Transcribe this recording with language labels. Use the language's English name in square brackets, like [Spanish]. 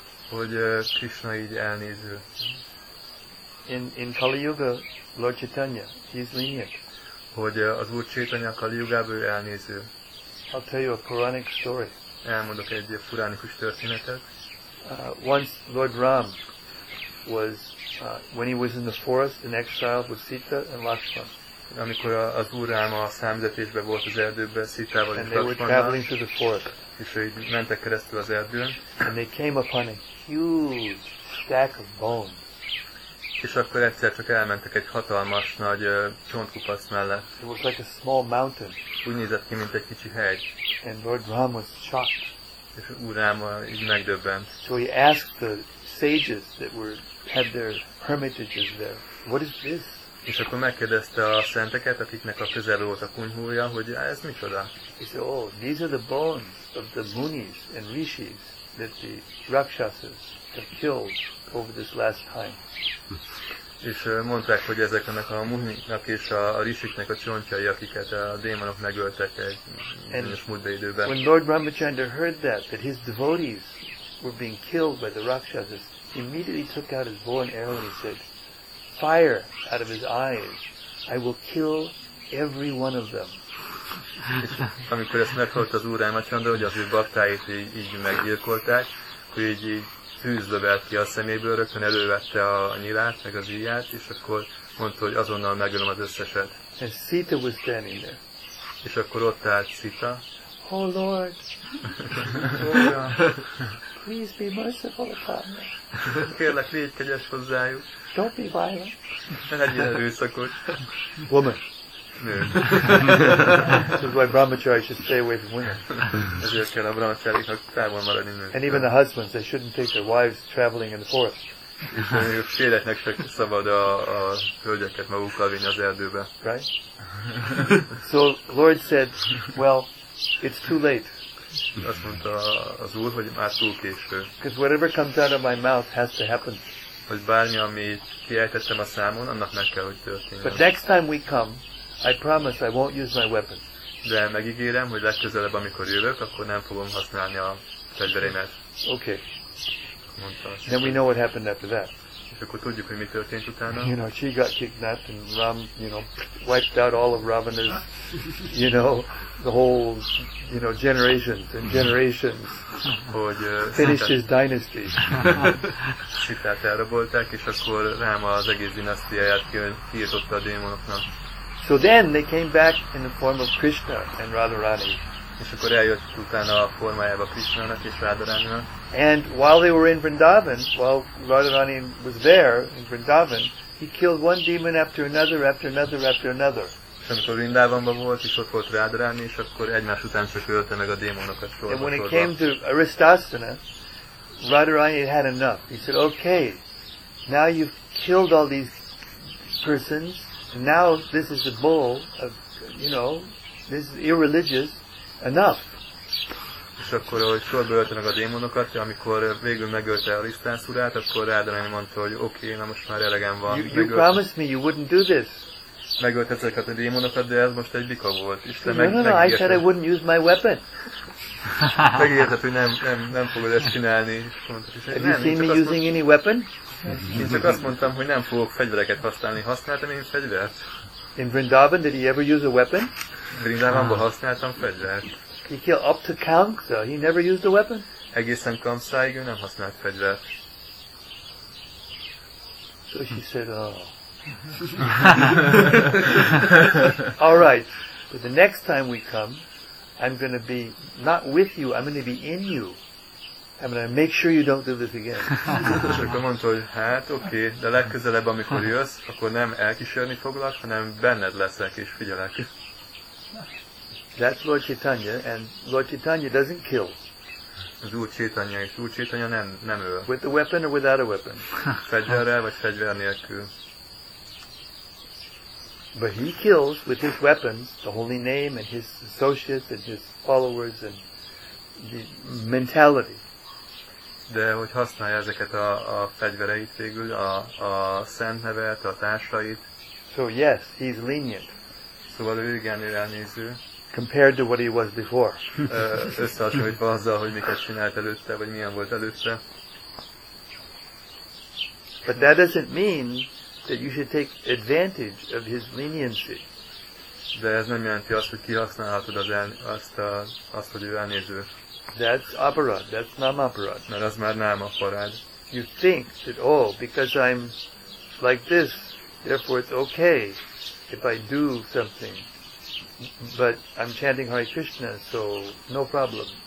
[Hungarian] Hogy Krishna így elnéző. [English] In Kali Yuga, Lord Chaitanya, he's lenient. [Hungarian] Hogy az Úr Chaitanya Kali Yugában elnéző. [English] I'll tell you a Puranic story. [Hungarian] Elmondok egy puránikus történetet. [English] Once Lord Ram was, when he was in the forest in exile with Sita and Lakshmana. [Hungarian] Amikor az Úr Ráma a számzetésben volt az erdőben, Sitával és Lakshmannal. [English] And they were traveling through the forest. [Hungarian] És így mentek keresztül az erdőn. [English] And they came upon a huge stack of bones. [Hungarian] És akkor egyszer csak elmentek egy hatalmas nagy csontkupac mellett. [English] It was like a small mountain. [Hungarian] Úgy nézett ki, mint egy kicsi hegy. [English] And Lord Ram was shocked. [Hungarian] És Úr Ráma így megdöbbent. [English] So he asked the sages that had their hermitages there, what is this? [Hungarian] És akkor megkérdezte a szenteket, akiknek a közel volt a kunyhója, hogy ez micsoda? [English] He said, oh, these are the bones of the munis and rishis that the rakshasas have killed over this last time. [Hungarian] És mondták, hogy ezeknek a muniknak és a rishiknek a csontjai, akiket a démonok megöltek egy bizonyos múltbeidőben. [English] When Lord Ramachandra heard that his devotees were being killed by the rakshasas, he immediately took out his bow and arrow and he said, fire out of his eyes, I will kill every one of them. [Hungarian] Amikor ezt meghallott az Úr Ramachandra, hogy az ő baktáit így meggyilkolták, hogy így tűzlövelt ki a szeméből, rögtön elővette a nyilát, meg az íját, és akkor mondta, hogy azonnal megölöm az összeset. [English] And Sita was standing there. [Hungarian] És akkor ott állt Sita. [English] Oh Lord, please be merciful upon me. [Hungarian] Kérlek, légy kegyes hozzájuk. [English] Don't be violent. [Hungarian] Ne legyél erőszakos. [English] Woman. [Hungarian] Nő. [English] This is why brahmachari should stay away from women. [Hungarian] Ezért kell a brahmacharinak távol maradni nőkkel. [English] And even the husbands, they shouldn't take their wives traveling in the forest. [Hungarian] És széleknek se szabad a hölgyeket magukkal vinni az erdőbe. [English] Right? So Lord said, well, it's too late. [Hungarian] Azt mondta az Úr, hogy már túl késő. [English] Because whatever comes out of my mouth has to happen. [Hungarian] Hogy bármi, amit kiejtettem a számon, annak meg kell, hogy történjen. [English] But next time we come, I promise I won't use my weapon. [Hungarian] De megígérem, hogy legközelebb, amikor jövök, akkor nem fogom használni a fegyvereimet. [English] Okay. [Hungarian] Mondta. [English] Then we know what happened after that. [Hungarian] És akkor tudjuk, hogy mi történt utána. [English] You know, she got kidnapped and Ram, you know, wiped out all of Ravana's, you know, the whole, you know, generations and generations. [Hungarian] Hogy [English] finished his dynasty. [Hungarian] Sitát elrabolták, és akkor Ráma az egész dinasztiáját kiirtotta a démonoknak. [English] So then they came back in the form of Krishna and Radharani. [Hungarian] És akkor eljött utána a formájába Krishnának és Radharaninak. [English] And while they were in Vrindavan, while Radharani was there in Vrindavan, he killed one demon after another, after another, after another. [Hungarian] És amikor Vrindavanban volt, és ott volt Radharani, és akkor egymás után csak ölte meg a démonokat sorba. [English] And when it came to Aristasthana, Radharani had enough. He said, okay, now you've killed all these persons, and now this is the bull of, you know, this is irreligious, enough. [Hungarian] És akkor, ahogy sorba ölte meg a démonokat, amikor végül megölte a Arisztász urát, akkor Radharani mondta, hogy oké, na most már elegem van. [English] You promised me you wouldn't do this. [Hungarian] Megölt ezeket a démonokat, de ez most egy bika volt. Isten megígérte. [English] I said I wouldn't use my weapon. [Hungarian] Megígérte, hogy nem fogod ezt csinálni. [English] Have you seen me using any weapon? [Hungarian] Én csak azt mondtam, hogy nem fogok fegyvereket használni. Használtam én fegyvert? [English] In Vrindavan, did he ever use a weapon? [Hungarian] Vrindavanban használtam fegyvert. [English] He killed up to Kamsa. He never used a weapon. [Hungarian] Egészen Kamsáig ő nem használt fegyvert. [English] So she said, oh. All right, but the next time we come, I'm going to be not with you. I'm going to be in you. I'm going to make sure you don't do this again. [Hungarian] És akkor mondta, hogy hát, oké, de legközelebb, amikor jössz, akkor nem elkísérni foglak, hanem benned leszek és figyelek. [English] That's Lord Chaitanya, and Lord Chaitanya doesn't kill. [Hungarian] Az Úr Chaitanya, és Úr Chaitanya nem öl. [English] With a weapon or without a weapon? [Hungarian] Fegyverrel vagy fegyver nélkül. [English] But he kills with his weapons, the holy name and his associates and his followers and the mentality. [Hungarian] De hogy használja ezeket a fegyvereit végül, a szent nevet, a társait. [English] So yes, he's lenient. [Hungarian] Szóval ő igen, ő elnéző. [English] Compared to what he was before. [Hungarian] Összehasonlítva azzal, hogy miket csinált előtte, vagy milyen volt előtte. [English] But that doesn't mean that you should take advantage of his leniency. [Hungarian] De ez nem jelenti azt, hogy kihasználhatod azt, hogy ő elnéző. [English] That's aparad, that's namaparad. [Hungarian] Mert az már namaparad. [English] You think that, oh, because I'm like this, therefore it's okay if I do something. But I'm chanting Hare Krishna, so no problem.